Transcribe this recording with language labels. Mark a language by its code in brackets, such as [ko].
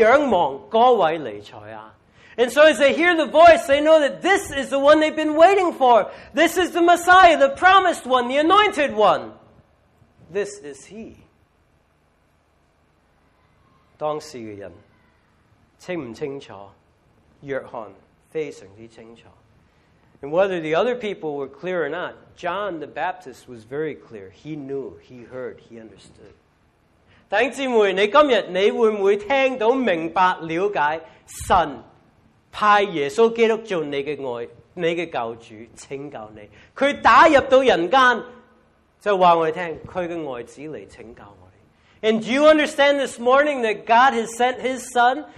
[zh] 所以他一聽到你是我的愛子,他很清楚,這個是神所派來,所等候,所仰望那位尼賽亞. [en] And so as they hear the voice, they know that this is the one they've been waiting for. This is the Messiah, the promised one, the anointed one. This is he. [zh] 当时的人清不清楚,约翰非常清楚. [en] And whether the other people were clear or not, John the Baptist was very clear. He knew, he heard, he understood. [zh] 弟兄姊妹,你今天会不会听到明白了解神派耶稣基督做你的爱,你的救主,拯救你。他打入到人间, 就告诉我们,他的爱子来拯救我们。 [en] And do you understand this morning that God has sent his son?